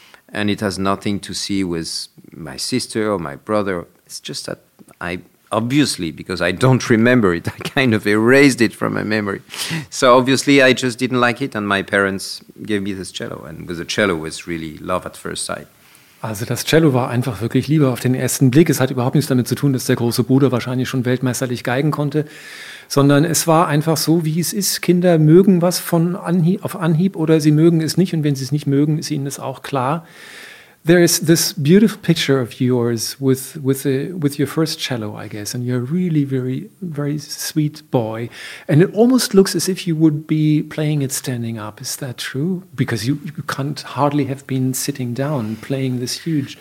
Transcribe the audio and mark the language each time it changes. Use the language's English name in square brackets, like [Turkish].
[English] And it has nothing to see with my sister or my brother. It's just that I, obviously, because I don't remember it, I kind of erased it from my memory. So obviously I just didn't like it, and my parents gave me this cello. And with the cello, it was really love at first sight. [German] Also das Cello war einfach wirklich Liebe auf den ersten Blick. Es hat überhaupt nichts damit zu tun, dass der große Bruder wahrscheinlich schon weltmeisterlich geigen konnte, sondern es war einfach so, wie es ist. Kinder mögen was von Anhieb auf Anhieb oder sie mögen es nicht. Und wenn sie es nicht mögen, ist ihnen das auch klar. [English] There is this beautiful picture of yours with your first cello, I guess, and you're a really very, very sweet boy. And it almost looks as if you would be playing it standing up. Is that true? Because you can't hardly have been sitting down playing this huge...